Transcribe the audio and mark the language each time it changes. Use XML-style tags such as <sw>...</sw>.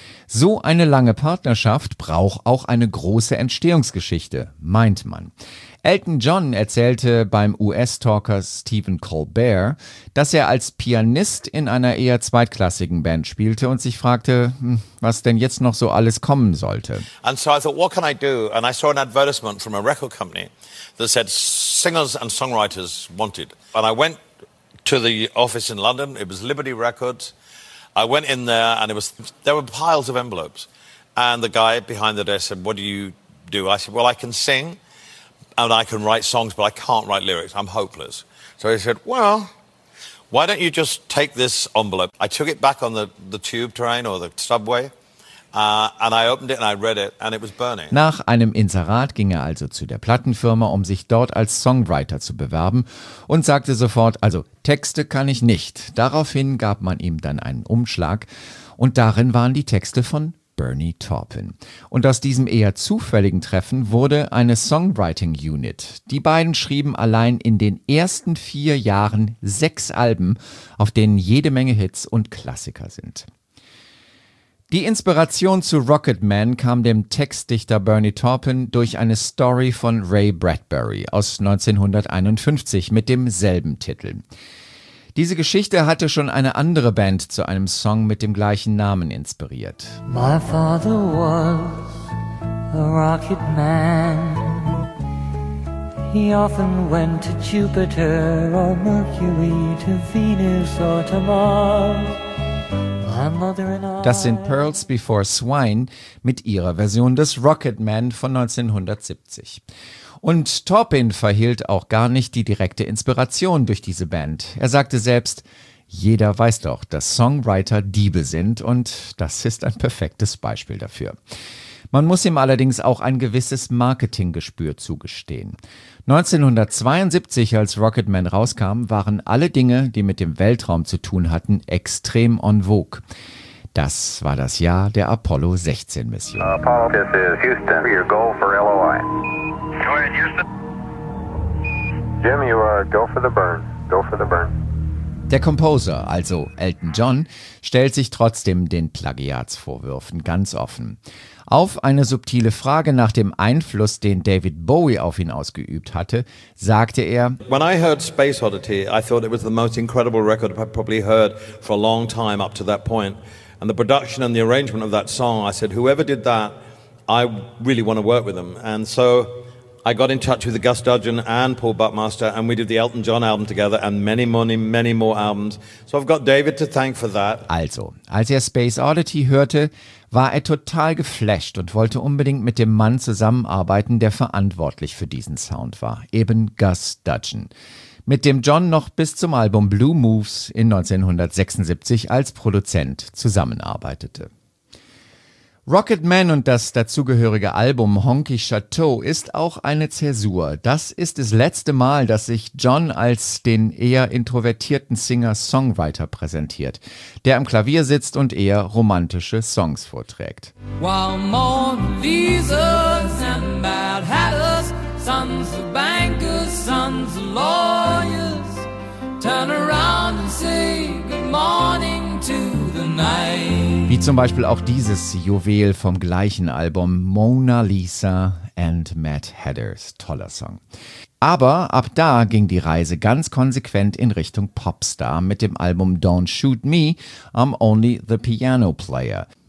<de>So eine lange Partnerschaft braucht auch eine große Entstehungsgeschichte, meint man. Elton John erzählte beim US-Talker Stephen Colbert, dass er als Pianist in einer eher zweitklassigen Band spielte und sich fragte, was denn jetzt noch so alles kommen sollte.</de> <en>And so I thought, what can I do? And I saw an advertisement from a record company that said singers and songwriters wanted. And I went to the office in London, it was Liberty Records. I went in there and it was, there were piles of envelopes. And the guy behind the desk said, what do you do? I said, well, I can sing. And I can write songs, but I can't write lyrics. I'm hopeless. So he said, well, why don't you just take this envelope? I took it back on the tube train or the subway, and I opened it and I read it, and it was Bernie.</en> <de>Nach einem Inserat ging er also zu der Plattenfirma, um sich dort als Songwriter zu bewerben, und sagte sofort, also Texte kann ich nicht. Daraufhin gab man ihm dann einen Umschlag, und darin waren die Texte von Bernie Taupin. Und aus diesem eher zufälligen Treffen wurde eine Songwriting Unit. Die beiden schrieben allein in den ersten 4 Jahren 6 Alben, auf denen jede Menge Hits und Klassiker sind. Die Inspiration zu Rocket Man kam dem Textdichter Bernie Taupin durch eine Story von Ray Bradbury aus 1951 mit demselben Titel. Diese Geschichte hatte schon eine andere Band zu einem Song mit dem gleichen Namen inspiriert.</de> <en>My father was a rocket man. He often went to Jupiter or Mercury, to Venus or to Mars. My mother and I.</en> <de>Das sind Pearls Before Swine mit ihrer Version des Rocket Man von 1970. Und Taupin verhielt auch gar nicht die direkte Inspiration durch diese Band. Er sagte selbst, jeder weiß doch, dass Songwriter Diebe sind und das ist ein perfektes Beispiel dafür. Man muss ihm allerdings auch ein gewisses Marketinggespür zugestehen. 1972, als Rocket Man rauskam, waren alle Dinge, die mit dem Weltraum zu tun hatten, extrem en vogue. Das war das Jahr der Apollo 16 Mission.</de> <en>Apollo, this is Houston. Your go for LOI. Go ahead, Houston. Jim, you are go for the burn. Go for the burn.</en> <de>Der Composer, also Elton John, stellt sich trotzdem den Plagiatsvorwürfen ganz offen. Auf eine subtile Frage nach dem Einfluss, den David Bowie auf ihn ausgeübt hatte, sagte er:</de> <en>When I heard Space Oddity, I thought it was the most incredible record I've probably heard for a long time up to that point. And the production and the arrangement of that song, I said, whoever did that, I really want to work with them. And so I got in touch with Gus Dudgeon and Paul Buckmaster, and we did the Elton John album together and many, many, many more albums. So I've got David to thank for that.</en> <de>Also, als er Space Oddity hörte, war er total geflasht und wollte unbedingt mit dem Mann zusammenarbeiten, der verantwortlich für diesen Sound war, eben Gus Dudgeon. Mit dem John noch bis zum Album Blue Moves in 1976 als Produzent zusammenarbeitete. Rocket Man und das dazugehörige Album Honky Chateau ist auch eine Zäsur. Das ist das letzte Mal, dass sich John als den eher introvertierten Singer-Songwriter präsentiert, der am Klavier sitzt und eher romantische Songs vorträgt.</de> <en>While Mona Lisa's and Mad Hatters, sons of bankers, sons of lawyers, turn around and say good morning to the night.</en> <de>Wie zum Beispiel auch dieses Juwel vom gleichen Album Mona Lisa and Mad Hatters. Toller Song. Aber ab da ging die Reise ganz konsequent in Richtung Popstar mit dem Album Don't Shoot Me, I'm Only the Piano Player.</de>